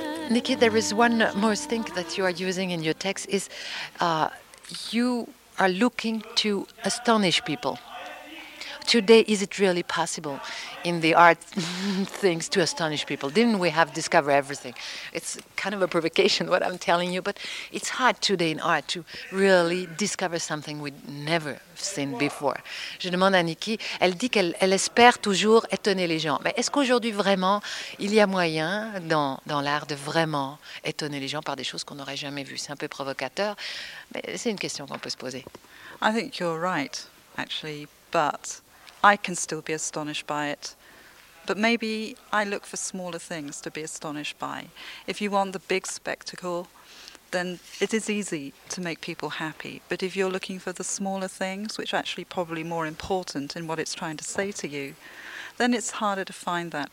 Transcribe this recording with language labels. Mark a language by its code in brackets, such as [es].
[en] Nikki, there is one more thing that you are using in your text is you are looking to astonish people. Today, is it really possible in the art things to astonish people? Didn't we have discovered everything? It's kind of a provocation what I'm telling you, but it's hard today in art to really discover something we'd never seen before. [fr] Je demande à Nikki, elle dit qu'elle espère toujours étonner les gens. Mais est-ce qu'aujourd'hui, vraiment, il y a moyen dans l'art de vraiment étonner les gens par des choses qu'on n'aurait jamais vues? C'est un peu provocateur, mais c'est une question qu'on peut se poser. [en] I think you're right, actually, but I can still be astonished by it. But maybe I look for smaller things to be astonished by. If you want the big spectacle, then it is easy to make people happy. But if you're looking for the smaller things, which are actually probably more important in what it's trying to say to you, then it's harder to find that.